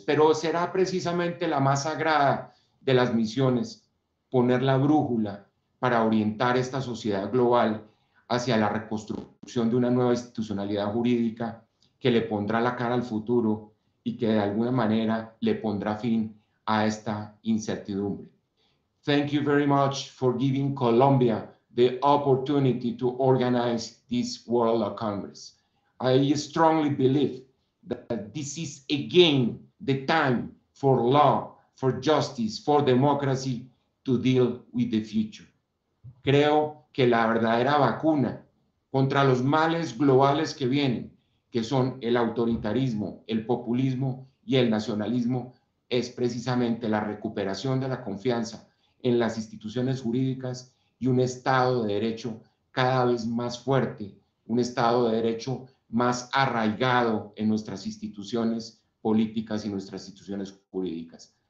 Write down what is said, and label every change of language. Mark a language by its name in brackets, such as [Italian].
[Spanish] Pero será precisamente la más sagrada de las misiones poner la brújula para orientar esta sociedad global hacia la reconstrucción de una nueva institucionalidad jurídica que le pondrá la cara al futuro y que de alguna manera le pondrá fin a esta incertidumbre. [English] Thank you very much for giving Colombia the opportunity to organize this World Congress. I strongly believe that this is again the time for law, for justice, for democracy to deal with the future. [Spanish] Creo que la verdadera vacuna contra los males globales que vienen que son el autoritarismo, el populismo y el nacionalismo, es precisamente la recuperación de la confianza en las instituciones jurídicas y un Estado de Derecho cada vez más fuerte, un Estado de Derecho más arraigado en nuestras instituciones políticas y nuestras instituciones jurídicas.